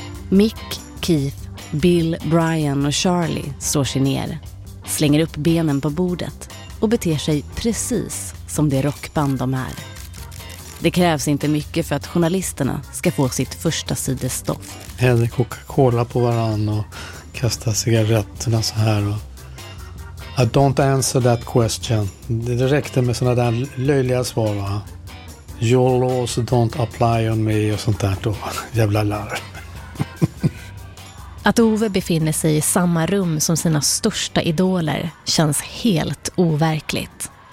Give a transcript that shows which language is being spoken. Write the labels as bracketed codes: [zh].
[sv] Mick, Keith, Bill, Brian och Charlie står sig ner, slänger upp benen på bordet och beter sig precis som det rockband de är. Det krävs inte mycket för att journalisterna ska få sitt första sidestopp. Hällde Coca-Cola på varann och kasta cigaretterna så här. [en] Och I don't answer that question. [sv] Det räckte med sådana där löjliga svar, va? [en] Your laws don't apply on me [sv] och sånt där då. Jävla larm. Att Ove befinner sig i samma rum som sina största idoler känns helt overkligt.